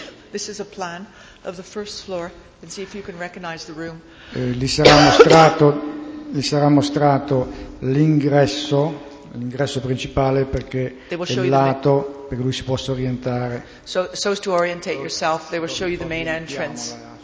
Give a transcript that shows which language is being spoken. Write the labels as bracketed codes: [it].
[en] This is a plan of the first floor and see if you can recognize the room. [it] Gli sarà mostrato l'ingresso principale perché è il lato perché lui si possa orientare. [en] So as to orientate yourself, they will show you the main entrance.